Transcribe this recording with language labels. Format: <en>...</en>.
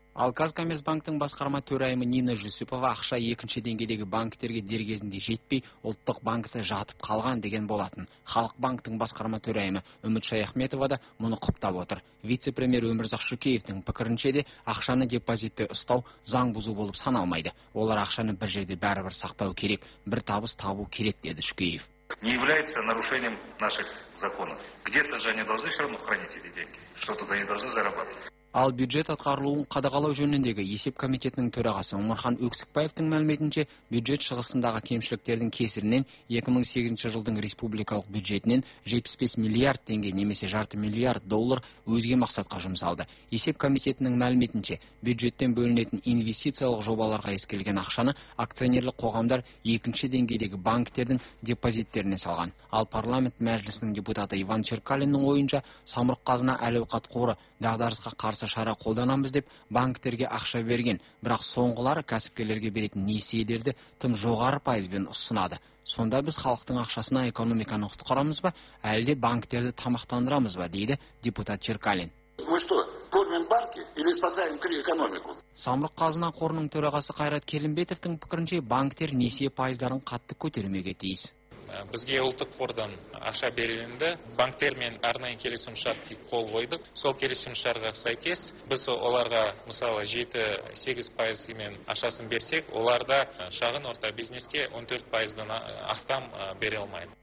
<kk>Ал Қазкоммерцбанктің басқарма төрайымы Нина Жүсіпова ақша 2-ші деңгейдегі банктерге дер кезінде жетпей, ұлттық банкте жатып қалған деген болатын. Халық банктің басқарма төрайымы Үміт Шаяхметова да мұны құптап отыр. Вице-премьер Өмірзақ Шүкеевтің пікірінше де ақшаны депозитте ұстау заң бұзу болып саналмайды. Олар ақшаны бір жерде бәрібір сақтау керек, бір табыс табу керек деді Шүкеев.</kk> <ru>Не является нарушением наших законов. Где-то же они должны всё равно хранить эти деньги. Что-то они должны зарабатывать.</ru> <kk>Ал бюджет атқарылуын қадағалау жөніндегі есеп комитетінің төрағасы Омархан Өксікбаевтың мәліметінше, бюджет шығысындағы кемшіліктердің кесірінен 2008 жылдың республикалық бюджетінен 75 миллиард теңге немесе жарты миллиард доллар өзге мақсатқа жұмсалды. Есеп комитетінің мәліметінше, бюджеттен бөлінетін инвестициялық жобаларға ескерілген ақшаны акционерлік қоғамдар 2-ші деңгейдегі банктердің депозиттеріне салған. Ал парламент мәжілісінің депутаты Иван Черкалиннің ойынша, Самұрық-қазына әл-ауқат қоры дағдарысқа қарсы шара қолданамыз деп банктерге ақша берген, бірақ соңғылары кәсіпкерлерге беретін несиелерді тым жоғары пайызбен ұсынады. Сонда біз халықтың ақшасына экономиканы құтқарамыз ба, әлде банктерді тамақтандырамыз ба, дейді депутат Черкалин.</kk> <ru>Мы что, кормим банки или спасаем экономику?</ru> <kk>Самұрық-қазына қорының төрағасы Қайрат Келімбетовтің пікірінше банктер несие пайыздарын қатты көтермеуге тиіс. Бізге ұлттық қордан ақша берілді, банктермен арнайы келісімшартқа қол қойдық. Сол келісімшартқа сәйкес, біз оларға мысалы 7-8 пайызымен ақшасын берсек, оларда шағын орта бизнеске 14 пайыздан астам бере алмайды.</kk>